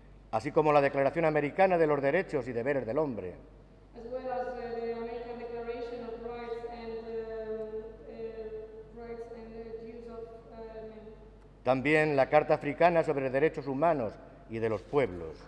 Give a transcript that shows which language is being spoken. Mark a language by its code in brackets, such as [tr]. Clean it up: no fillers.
[es] Así como la Declaración Americana de los Derechos y Deberes del Hombre. [en] As well as the American Declaration of Rights and Rights and Duties of Men. [es] También la Carta Africana sobre Derechos Humanos y de los Pueblos.